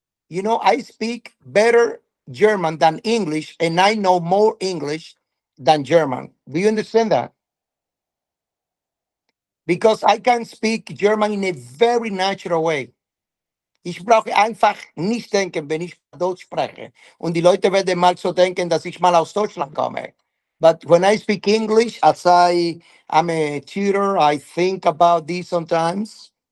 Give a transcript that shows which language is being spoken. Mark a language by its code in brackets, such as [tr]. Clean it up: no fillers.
[en] You know, I speak better German than English, and I know more English than German. Do you understand that? Because I can speak German in a very natural way. [de] Ich brauche einfach nicht denken, wenn ich Deutsch spreche. Und die Leute werden mal so denken, dass ich mal aus Deutschland komme. [en] But when I speak English, as I'm a tutor, I think about this sometimes.